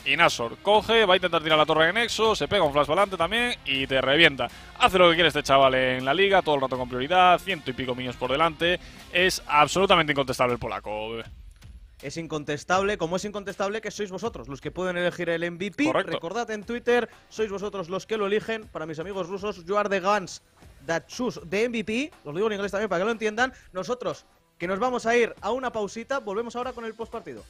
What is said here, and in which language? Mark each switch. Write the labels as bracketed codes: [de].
[es] Y Nashor coge, va a intentar tirar la torre en Nexo, se pega un flash para adelante también y te revienta. Hace lo que quiere este chaval en la liga, todo el rato con prioridad, ciento y pico minions por delante. Es absolutamente incontestable el polaco, bebé. Es incontestable, como es incontestable que sois vosotros los que pueden elegir el MVP. Correcto. Recordad en Twitter, sois vosotros los que lo eligen. Para mis amigos rusos, [en] you are the guns that choose the MVP. [es] Los digo en inglés también para que lo entiendan. Nosotros, que nos vamos a ir a una pausita, volvemos ahora con el postpartido.